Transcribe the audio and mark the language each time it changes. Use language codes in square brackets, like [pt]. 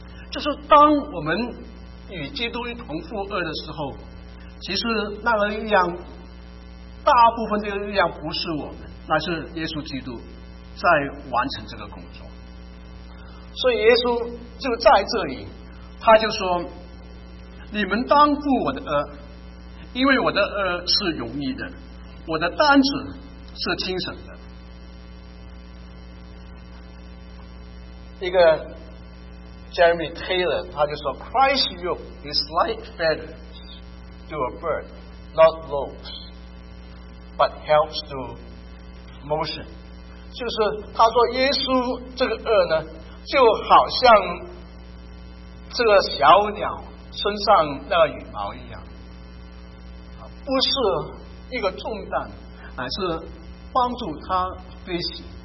[zh] 就是当我们与基督一同负轭的时候，其实那个力量，大部分这个力量不是我们，那是耶稣基督在完成这个工作。所以耶稣就在这里，他就说，你们当负我的轭，因为我的轭是容易的，我的担子是轻省的。一个 [en] Jeremy Taylor [zh] 他就说 [en] Christ's yoke is like feathers to a bird, not loads, but helps to motion. [zh] 就是他说耶稣这个轭呢，就好像这个小鸟身上那个羽毛一样，不是一个重担，而是帮助他飞行。